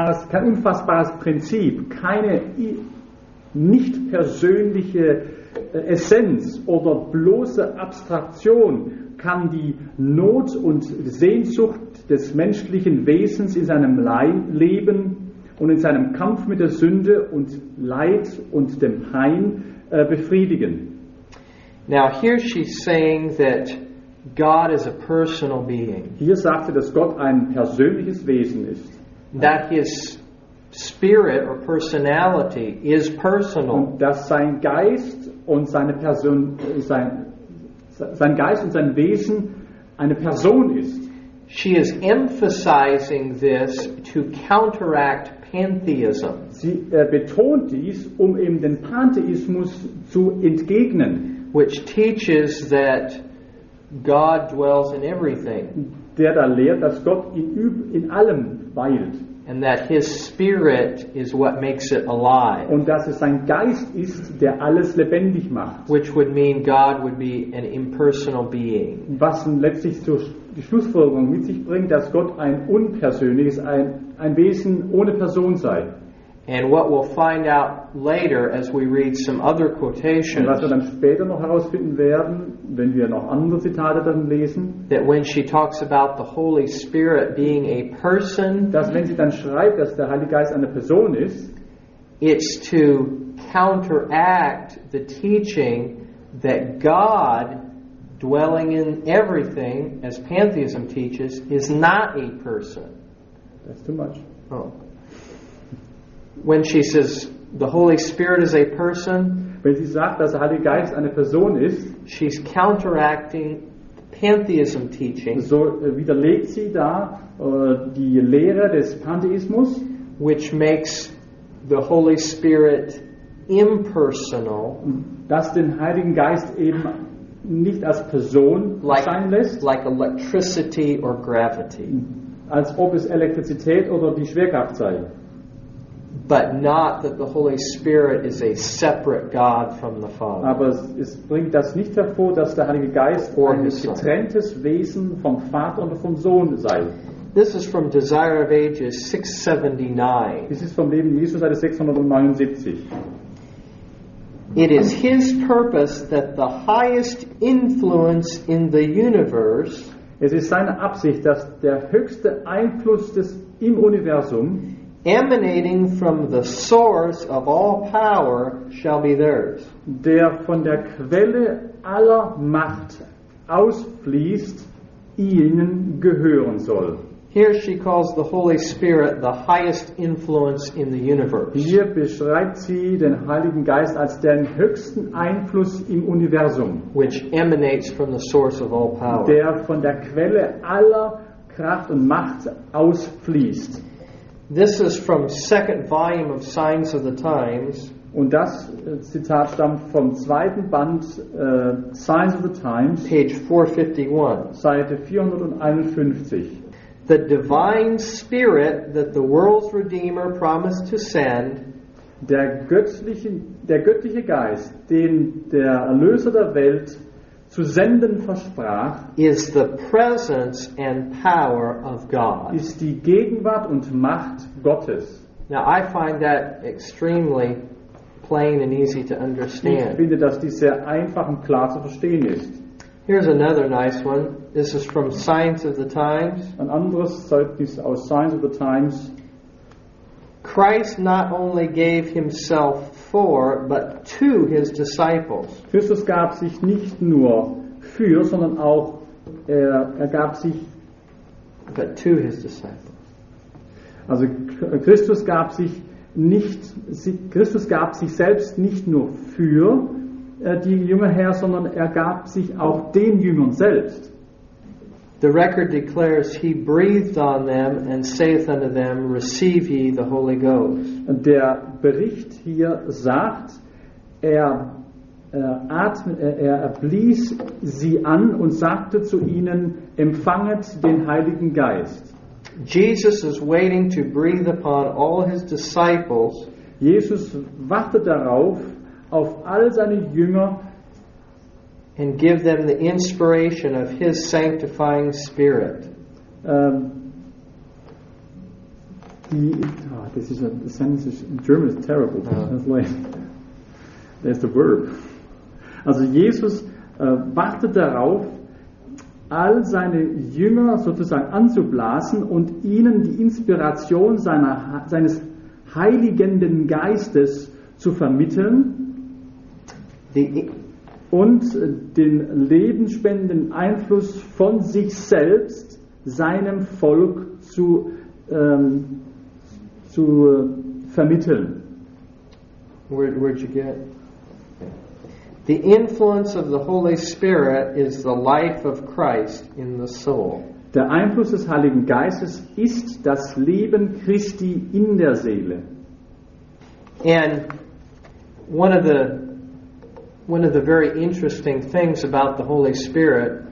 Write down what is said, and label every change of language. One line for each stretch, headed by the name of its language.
German: Kein unfassbares Prinzip, keine nicht persönliche Essenz oder bloße Abstraktion kann die Not und Sehnsucht des menschlichen Wesens in seinem Leben und in seinem Kampf mit der Sünde und Leid und dem Pein befriedigen.
English: Now here she's saying that God is a personal being.
German: Hier sagt sie, dass Gott ein persönliches Wesen ist.
English: That his spirit or personality is personal.
German: Und dass sein Geist und seine Person, sein Geist und sein Wesen eine Person ist.
English: She is emphasizing this to counteract pantheism.
German: Sie betont dies, um eben den Pantheismus zu entgegnen,
English: which teaches that God dwells in everything.
German: Der da lehrt, dass Gott in allem weilt.
English: And that his spirit is what makes it alive.
German: Und dass es sein Geist ist, der alles lebendig macht.
English: Which would mean God would be an impersonal being.
German: Was letztlich zur die Schlussfolgerung mit sich bringt, dass Gott ein unpersönliches, ein Wesen ohne Person sei.
English: And what we'll find out later as we read some other quotations,
German: was wir dann später noch herausfinden werden, wenn wir noch andere Zitate dann lesen,
English: that when she talks about the Holy Spirit being a person,
German: dass wenn sie dann schreibt, dass der Heilige Geist eine Person ist,
English: it's to counteract the teaching that God dwelling in everything, as pantheism teaches, is not a person. That's too much. Oh. When she says the Holy Spirit is a person,
German: wenn sie sagt, dass der Heilige Geist eine Person ist,
English: she's counteracting pantheism teaching.
German: So widerlegt sie da die Lehre des Pantheismus,
English: which makes the Holy Spirit impersonal.
German: Dass den Heiligen Geist eben nicht als Person erscheinen lässt,
English: like electricity or gravity.
German: Als ob es Elektrizität oder die Schwerkraft sei.
English: But not that the Holy Spirit is a separate God from the Father.
German: Aber es bringt das nicht hervor, dass der Heilige Geist or ein getrenntes Wesen vom Vater und vom Sohn sei.
English: This is from Desire of Ages 679. This is from Leben Jesu, Seite 679. It is his purpose that the highest influence in the universe,
German: es ist seine Absicht, dass der höchste Einfluss des, im Universum,
English: emanating from the source of all power, shall be theirs.
German: Der von der Quelle aller Macht ausfließt, ihnen gehören soll.
English: Here she calls the Holy Spirit the highest influence in the universe.
German: Hier beschreibt sie den Heiligen Geist als den höchsten Einfluss im Universum,
English: which emanates from the source of all power.
German: Der von der Quelle aller Kraft und Macht ausfließt.
English: This is from second volume of Signs of the Times.
German: Und das Zitat stammt vom zweiten Band Signs of the Times,
English: page 451,
German: Seite 451.
English: The divine spirit that the world's redeemer promised to send,
German: der göttliche Geist, den der Erlöser der Welt zu senden versprach,
English: is the presence and power of God.
German: Ist die Gegenwart und Macht Gottes.
English: Now I find that extremely plain and easy to understand.
German: Ich finde, dass dies sehr einfach und klar zu verstehen ist.
English: Here's another nice one. This is from Signs of the Times.
German: Ein anderes Zeugnis aus Signs of the Times.
English: Christ not only gave himself for, but to his disciples.
German: Christus gab sich nicht nur für, sondern auch er gab sich,
English: but to his disciples.
German: Also Christus gab sich selbst nicht nur für die Jünger her, sondern er gab sich auch den Jüngern selbst.
English: The record declares, he breathed on them and saith unto them, receive ye the Holy Ghost.
German: Der Bericht hier sagt, er blies sie an und sagte zu ihnen, empfanget den Heiligen Geist.
English: Jesus is waiting to breathe upon all his disciples.
German: Jesus wartet darauf, auf all seine Jünger,
English: and give them the inspiration of his sanctifying spirit. This is the sentence is, in German is terrible. That's like, there's the verb.
German: Also Jesus wartet darauf, all seine Jünger sozusagen anzublasen und ihnen die Inspiration seines heiligenden Geistes zu vermitteln. Und den lebensspendenden Einfluss von sich selbst seinem Volk zu vermitteln.
English: Where'd you get? The influence of the Holy Spirit is the life of Christ in the soul.
German: Der Einfluss des Heiligen Geistes ist das Leben Christi in der Seele.
English: And one of the very interesting things about the Holy Spirit,